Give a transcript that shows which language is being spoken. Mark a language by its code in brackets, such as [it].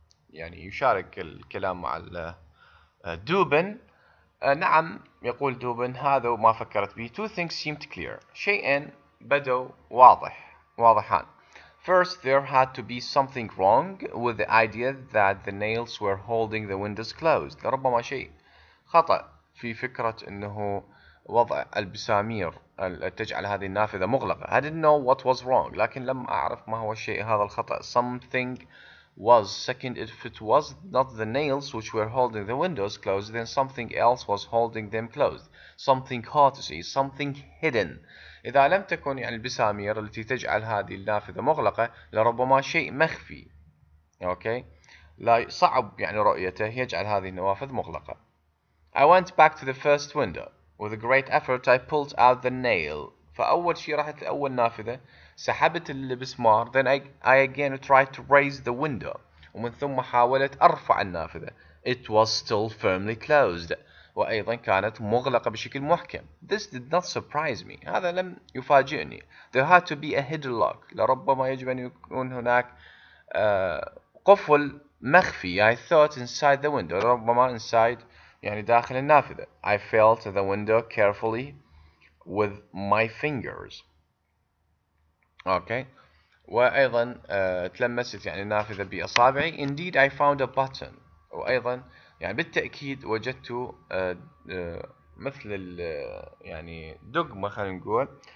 [ar] يعني يشارك الكلام مع دوبن. نعم يقول دوبن هذا وما فكرت به. [en] Two things seemed clear. [ar] شيئين بدوا واضحان. [en] First, there had to be something wrong with the idea that the nails were holding the windows closed. [ar] لربما شيء خطأ في فكرة أنه وضع البسامير تجعل هذه النافذة مغلقة. [en] I didn't know what was wrong. [ar] لكن لم أعرف ما هو الشيء هذا الخطأ. [en] Something was. Second, if it was not the nails which were holding the windows closed, then something else was holding them closed. Something hard to see. Something hidden. [ar] إذا لم تكن يعني البسامير التي تجعل هذه النافذة مغلقة لربما شيء مخفي. أوكي؟ لا صعب يعني رؤيته يجعل هذه النوافذ مغلقة. [en] I went back to the first window. With a great effort I pulled out the nail. [ar] فأول شيء رحت لأول نافذة سحبت المسمار. [en] Then I again tried to raise the window. [ar] ومن ثم حاولت أرفع النافذة. [en] It was still firmly closed. [ar] وأيضا كانت مغلقة بشكل محكم. [en] This did not surprise me. [ar] هذا لم يفاجئني. [en] There had to be a hidden lock. [ar] لربما يجب أن يكون هناك قفل مخفي. [en] I thought inside the window. [ar] لربما inside يعني داخل النافذة. [en] I felt the window carefully with my fingers. Okay. [ar] وأيضا تلمست يعني النافذة بأصابعي. [en] Indeed I found a button. [ar] وأيضا يعني بالتأكيد وجدت مثل يعني دقمة خلينا نقول.